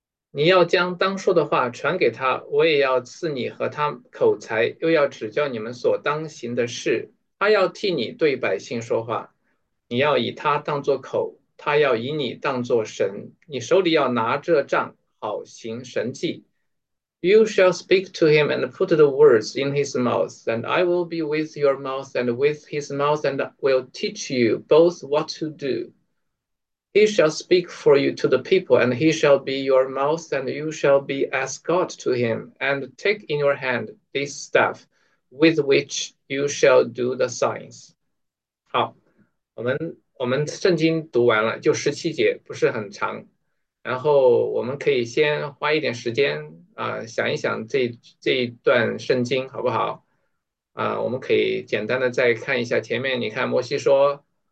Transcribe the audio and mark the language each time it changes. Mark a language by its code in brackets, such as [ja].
[zh] 你要将当说的话传给他，我也要赐你和他口才，又要指教你们所当行的事。他要替你对百姓说话，你要以他当作口，他要以你当作神。你手里要拿着杖，好行神迹。 [en] You shall speak to him and put the words in his mouth, and I will be with your mouth and with his mouth, and will teach you both what to do. He shall speak for you to the people, and he shall be your mouth, and you shall be as God to him, and take in your hand this staff with which you shall do the signs. [zh] 好，我们圣经读完了，就17节，不是很长。然后我们可以先花一点时间啊，想一想这一段圣经好不好？我们可以简单的再看一下前面，你看摩西说。